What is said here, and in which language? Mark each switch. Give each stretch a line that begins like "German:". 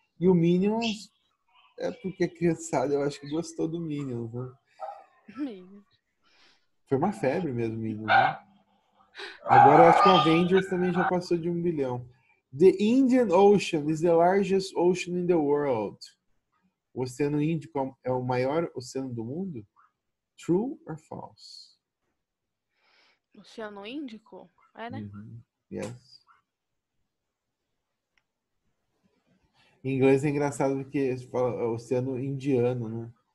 Portuguese: E o Minions é porque a criançada, eu acho que gostou do Minions, né? Foi uma febre mesmo, Minions, né? Agora eu acho que o Avengers também já passou de 1 bilhão.
English: The Indian Ocean is the largest ocean in the world.
Portuguese: O Oceano Índico é o maior oceano do mundo?
English: True or false?
Portuguese: Oceano Índico? É, né?
English: Uhum. Yes.
Portuguese: Em inglês é engraçado porque fala Oceano Indiano, né?